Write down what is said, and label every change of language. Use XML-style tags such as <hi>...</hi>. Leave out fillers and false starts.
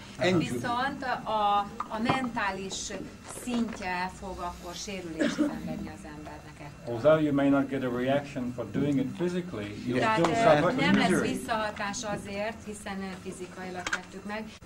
<hu>Viszont a mentális szintje fog akkor sérülést szenvedni az embernek.</hu> <en>Although you may not get a reaction for doing it physically, you'll still suffer</en> <hu>nem</hu> <en>injury.</en> <hu>Nem lesz visszahatás azért, hiszen fizikailag tettük meg.</hu>